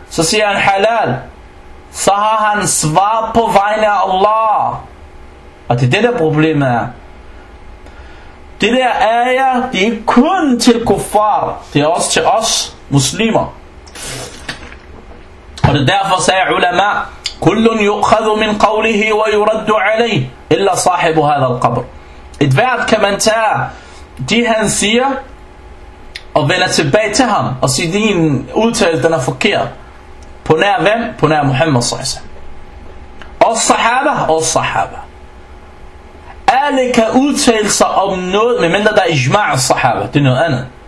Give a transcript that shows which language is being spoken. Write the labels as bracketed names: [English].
[Danish] Så siger han halal. Så har han svar på vegne af Allah. Og det er det der problemet er. Det der ayah, det er ikke kun til kuffar, det er også til os muslimer. Og det er derfor sagde ulama, [Arabic] كل يؤخذ من قوله ويرد عليه إلا صاحب هذا القبر. [Danish] Ethvert kan man tage det han siger og vende tilbage til ham og sige din udtale den er forkert. På nær hvem? På nær Muhammad sallallahu alaihi wasallam. Og sahaba. Alle kan udtale sig om noget, medmindre der er ijma'a sahaba. Det er noget andet.